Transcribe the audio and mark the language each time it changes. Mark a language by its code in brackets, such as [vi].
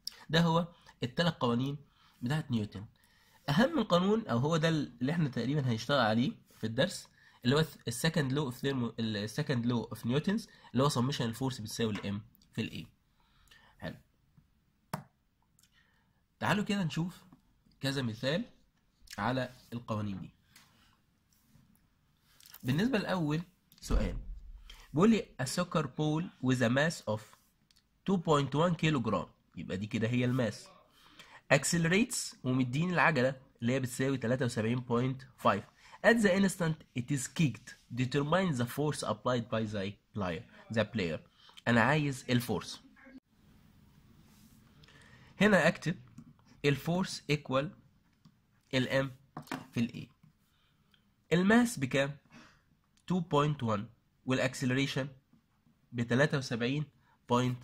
[ar] ده هو التلات قوانين بتاعت نيوتن. اهم قانون، او هو ده اللي احنا تقريبا هنشتغل عليه في الدرس، اللي هو [en] السكند law of thermo, السكند law of Newton's, [ar] اللي هو سميشن الفورس بتساوي الام في الايه. تعالوا كده نشوف كذا مثال على القوانين دي. بالنسبة لأول سؤال بيقول لي [en] a soccer ball with a mass of 2.1 [ar] كيلوغرام، يبقى دي كده هي الماس، [en] accelerates [ar] ومديني العجلة اللي هي بتساوي [en] 73.5 at the instant it is kicked determines the force applied by the player. [ar] أنا عايز الفورس. هنا أكتب الفورس ايكوال الام في الاي، الماس بكام؟ 2.1 والاكسلريشن ب 73.5.